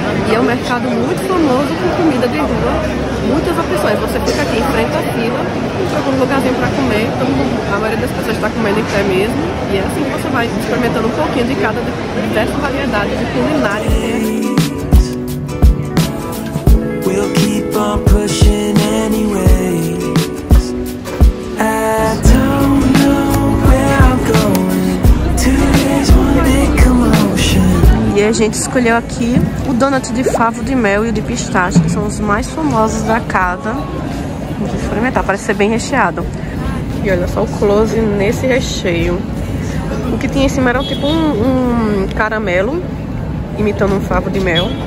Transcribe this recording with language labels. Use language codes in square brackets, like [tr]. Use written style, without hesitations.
[pt] E é um mercado muito famoso com comida de rua. Muitas opções. Você fica aqui em frente à fila, procura um lugarzinho para comer. Então, a maioria das pessoas está comendo em pé mesmo. E é assim que você vai experimentando um pouquinho de cada diversa variedade de culinária que tem aqui. [en] We'll keep on pushing anyways. I don't know where I'm going. Today's one big commotion. [pt] E a gente escolheu aqui o donut de favo de mel e o de pistache, que são os mais famosos da casa. Vamos experimentar, parece ser bem recheado. E olha só o close nesse recheio. O que tinha em cima era tipo um caramelo imitando um favo de mel.